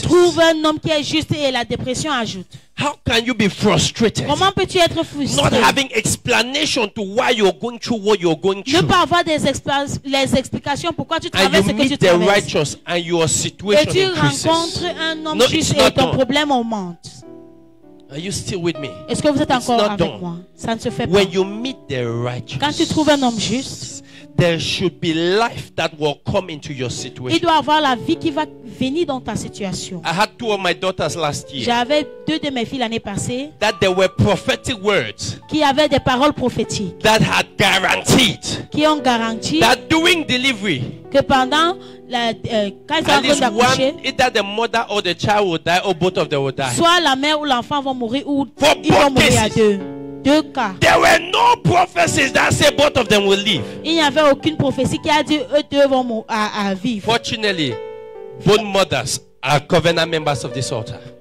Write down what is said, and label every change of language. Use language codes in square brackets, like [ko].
[fr] Trouve un homme qui est juste et la dépression ajoute. [en] How can you be frustrated? [fr] Comment peux-tu être frustré? [en] Not having explanation to why you're going through what you're going through. [fr] Ne pas avoir des les explications pourquoi tu traverses ce que tu traverses. [en] And you meet the righteous and your situation [fr] et tu [en] increases. [fr] Rencontres un homme no, juste et ton problème augmente. [en] Are you still with me? [fr] Est-ce que vous êtes encore avec [en] done. [fr] Moi? Ça ne se fait [en] when [fr] pas. [en] You meet the righteous, [fr] quand tu trouves un homme juste, [en] there should be life that will come into your situation. [fr] Il doit avoir la vie qui va venir dans ta situation. [en] I had two of my daughters last year. [fr] J'avais deux de mes filles l'année passée. [en] That there were prophetic words. [fr] Qui avaient des paroles prophétiques. [en] That had guaranteed. [fr] Qui ont garanti. [en] That during delivery. [fr] Que pendant la quand ils [en] at least one, either the mother or the child will die, or both of them will die. [fr] Soit la mère ou l'enfant vont mourir ou [en] for [fr] ils vont mourir [en] cases. [fr] À deux. Deux cas. [en] There were no prophecies that said both of them will live. [fr] Il n'y avait aucune prophétie qui a dit eux deux vont à vivre. [en] Fortunately, both mothers are covenant members of this altar.